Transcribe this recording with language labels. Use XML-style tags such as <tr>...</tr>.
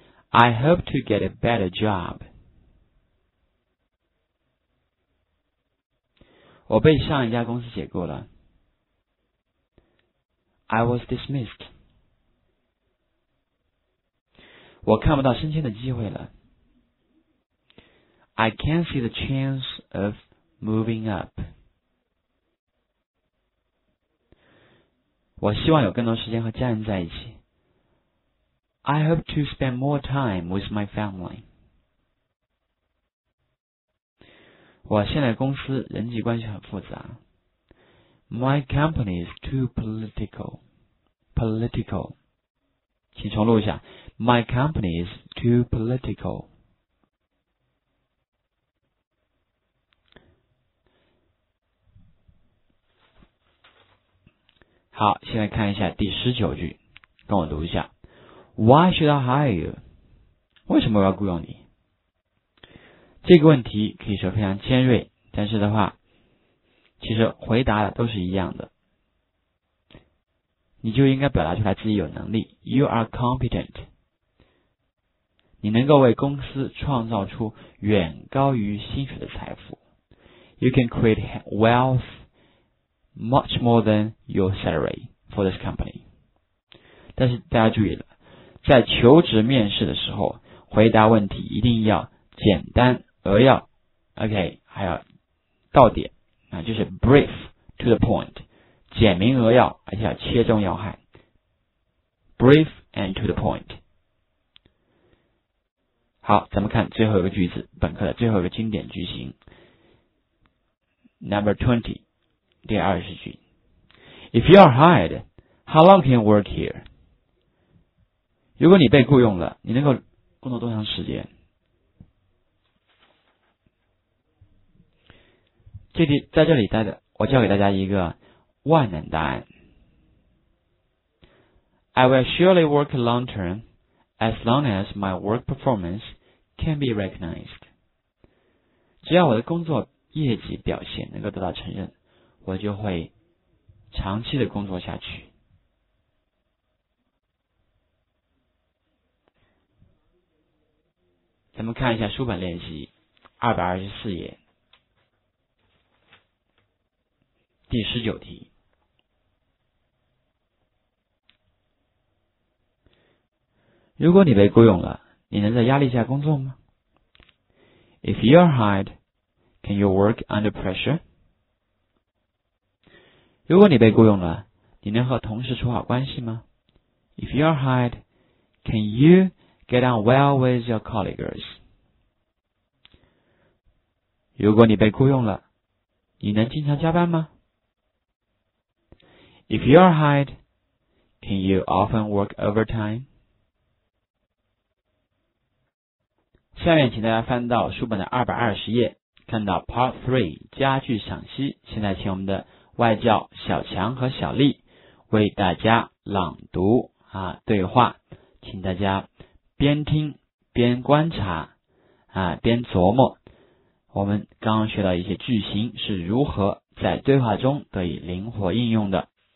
<en>I hope to get a better job。</en> <zh>我被上一家公司解雇了。</zh> <en>I was dismissed。</en> <zh>我看不到升迁的机会了。</zh> <en>I can't see the chance of moving up。</en> <zh>我希望有更多时间和家人在一起。</zh> <en>I hope to spend more time with my family。</en> <zh>我现在公司人际关系很复杂。</zh> <en>My company is too political。 Political，</en> <zh>请重录一下。</zh> <en>My company is too political。</en> <zh>好，现在看一下第十九句，跟我读一下。</zh> <en>Why should I hire you？</en> <zh>为什么我要雇佣你？这个问题可以说非常尖锐，但是的话，其实回答的都是一样的。你就应该表达出来自己有能力。</zh> <en>You are competent。</en> <zh>你能够为公司创造出远高于薪水的财富。</zh> <en>You can create wealth much more than your salary for this company。</en> <zh>但是大家注意了，在求职面试的时候，回答问题一定要简单扼要，OK，还要到点啊，就是</zh> <en>brief to the point。</en> <zh>简明扼要，而且要切中要害。</zh> <en>Brief and to the point。</en> <zh>好，咱们看最后一个句子，本课的最后一个经典句型。</zh> <en>Number 20，</en> <zh>第20句。</zh> <en>If you are hired, how long can you work here?</en> <zh>如果你被雇佣了，你能够工作多长时间？这里在这里待着，我教给大家一个万能答案。</zh> <en>I will surely work long term as long as my work performance can be recognized.</en> <zh>只要我的工作业绩表现能够得到承认，我就会长期的工作下去。咱们看一下书本练习224页第19题。如果你被雇佣了，你能在压力下工作吗？</zh> <en>If you are hired, can you work under pressure?</en> <zh>如果你被雇佣了，你能和同事处好关系吗？</zh> <en>If you are hired, can you get on well with your colleagues?</en> <zh>如果你被雇佣了，你能经常加班吗？</zh> <en>If you are hired, can you often work overtime?</en> <zh>下面请大家翻到书本的220页，看到 Part 3家具赏析。现在请我们的外教小强和小丽为大家朗读啊对话，请大家边听边观察啊边琢磨我们刚刚学到一些句型是如何在对话中得以灵活应用的。</zh>